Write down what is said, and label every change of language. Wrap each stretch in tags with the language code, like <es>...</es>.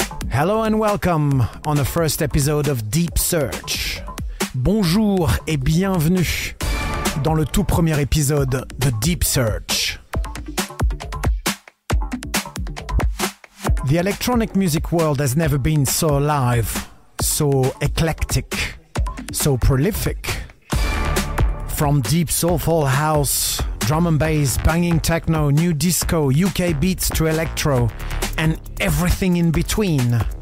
<en>Hello and welcome on the first episode of Deep Search.</en> <fr>Bonjour et bienvenue dans le tout premier épisode de Deep Search.</fr> <en>The electronic music world has never been so alive, so eclectic, so prolific. From deep soulful house, drum and bass, banging techno, new disco, UK beats to electro, and everything in between.</en>